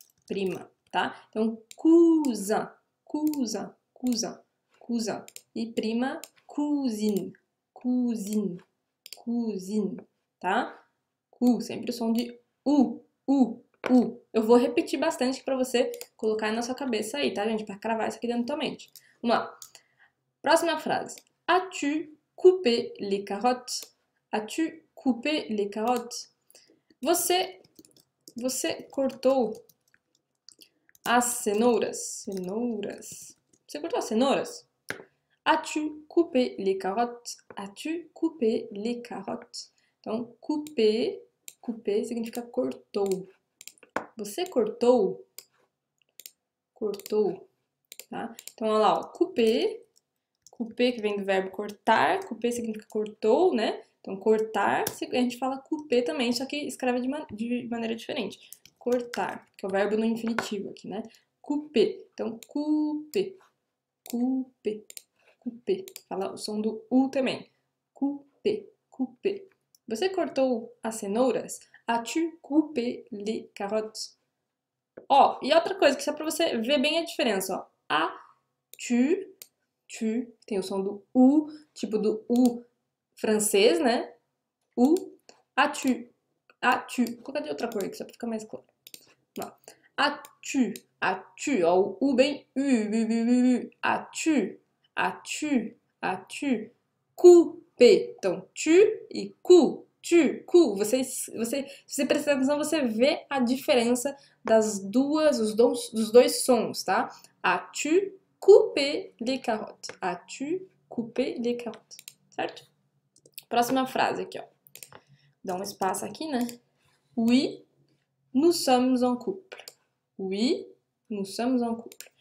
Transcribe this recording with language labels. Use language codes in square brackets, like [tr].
[pt] Prima. Tá? Então, cousin, cousin, cousin, cousin. E prima, cousine, cousine, cousine. Tá? Cu, sempre o som de u, u, u. Eu vou repetir bastante para você colocar na sua cabeça aí, tá, gente? Para cravar isso aqui dentro da tua mente. Vamos lá. Próxima frase. [fr] As-tu coupé les carottes? As-tu coupé les carottes? [pt] Você cortou as cenouras? Cenouras. Você cortou as cenouras? [fr] As-tu coupé les carottes? As-tu coupé les carottes? [pt] Então, coupé, coupé significa cortou. Você cortou? Cortou, tá? Então, olha lá, ó, coupé, coupé que vem do verbo cortar, coupé significa cortou, né? Então, cortar, a gente fala coupé também, só que escreve de maneira diferente. Cortar, que é o verbo no infinitivo aqui, né? Coupé. Então, coupé. Coupé. Coupé. Fala o som do U também. Coupé. Coupé. Você cortou as cenouras? [fr] As-tu coupé les carottes? [pt] Ó, e outra coisa, que só para você ver bem a diferença, ó. As-tu, tu, tem o som do U, tipo do U francês, né? U. As-tu, as-tu. Coloca de outra cor aqui, só pra ficar mais claro. As-tu, as-tu, ó, o U bem U, as-tu, as-tu, as-tu, coupé, então, tu e cu, tu, cu, se você prestar atenção, você vê a diferença das duas, dos dois sons, tá? [fr] As-tu coupé les carottes, as-tu coupé les carottes, certo? [pt] Próxima frase aqui, ó, dá um espaço aqui, né? [fr] Oui, nous sommes en couple. Oui, nous sommes en couple.